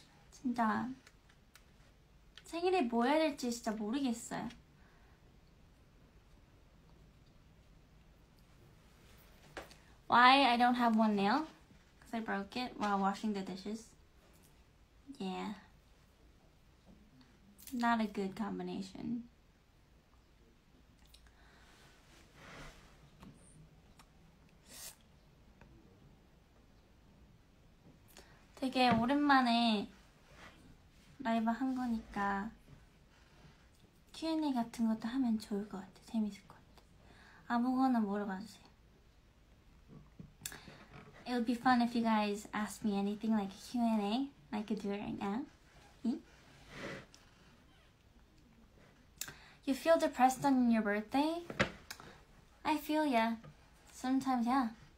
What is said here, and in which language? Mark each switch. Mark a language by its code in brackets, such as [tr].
[ko] 진짜 생일에 뭐 해야 될지 진짜 모르겠어요. [en] 'Cause I broke it while washing the dishes. Yeah. Not a good combination. [ko] 되게 오랜만에 라이브 한 거니까 Q&A 같은 것도 하면 좋을 것 같아. 재밌을 것 같아. 아무거나 물어봐 주세요. [en] It would be fun if you guys ask me anything like Q&A. I could do it right now. You feel depressed on your birthday? I feel ya. Sometimes, yeah.